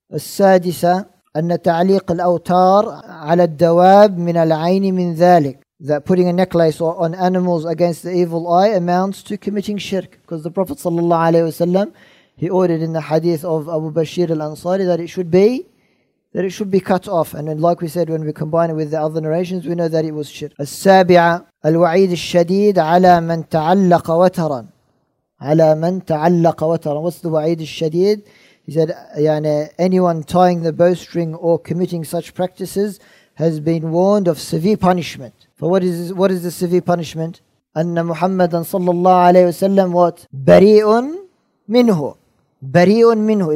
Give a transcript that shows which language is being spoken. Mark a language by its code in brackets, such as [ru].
[ar] السادسة أن تعليق الأوتار على الدواب من العين من ذلك [en] That putting a necklace on animals against the evil eye amounts to committing shirk. Because the Prophet sallallahu alayhi wasallam, he ordered in the hadith of Abu Bashir al-Ansari that it should be cut off. And then, like we said, when we combine it with the other narrations, we know that it was shirk. [ar] السابعة الوعيد الشديد على من تعلق وترا على من تعلق وترا [en] What's the [ar] وعيد الشديد? [en] He said, يعني, anyone tying the bowstring or committing such practices has been warned of severe punishment. For what is the severe punishment? [ar] أن محمدا صلى الله عليه وسلم [en] what? [ar] بريء منه. بريء منه.